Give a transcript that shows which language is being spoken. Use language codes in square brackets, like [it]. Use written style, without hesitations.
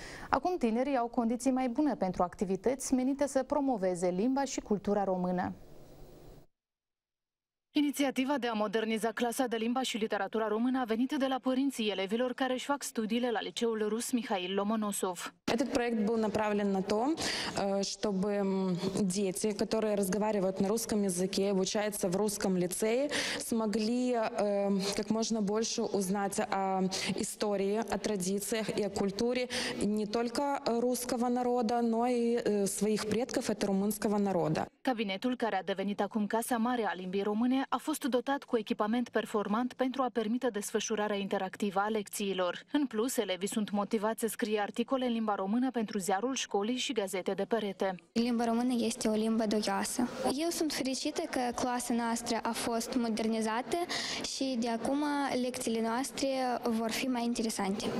[ro] Acum tinerii au condiții mai bune pentru activități menite să promoveze limba și cultura română. Inițiativa de a moderniza clasa de limba și literatura română a venit de la părinții elevilor care își fac studiile la liceul rus Mihail Lomonosov. [ru] Этот проект был направлен на то, чтобы дети, которые разговаривают на русском языке, обучаются в русском лицее, смогли как можно больше узнать о истории, о традициях и о культуре не только русского народа, но и своих предков, это румынского народа. [ro] Кабинетul, care a devenit acum Casa Mare a Limbii Române, a fost dotat cu echipament performant pentru a permite desfășurarea interactivă a lecțiilor. În plus, elevii sunt motivați să scrie articole în limba română pentru ziarul școlii și gazete de perete. Limba română este o limbă duioasă. Eu sunt fericită că clasa noastră a fost modernizată și de acum lecțiile noastre vor fi mai interesante.